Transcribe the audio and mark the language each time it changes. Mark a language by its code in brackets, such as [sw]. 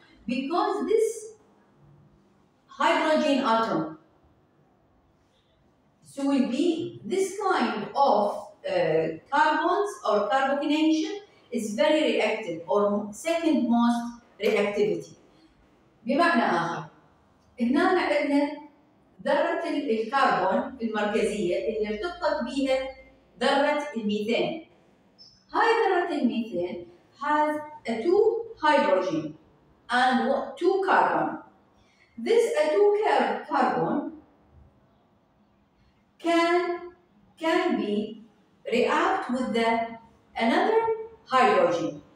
[en] Because this hydrogen atom, so will be this kind of carbons or carbocation is very reactive or second most reactivity. [ar] بمعنى آخر هنا عندنا ذرة الكربون المركزية اللي ارتبطت بها ذرة الميثان. هاي ذرة الميثان [en] has a two hydrogen and two carbon. This a two carbon can be react with the another hydrogen.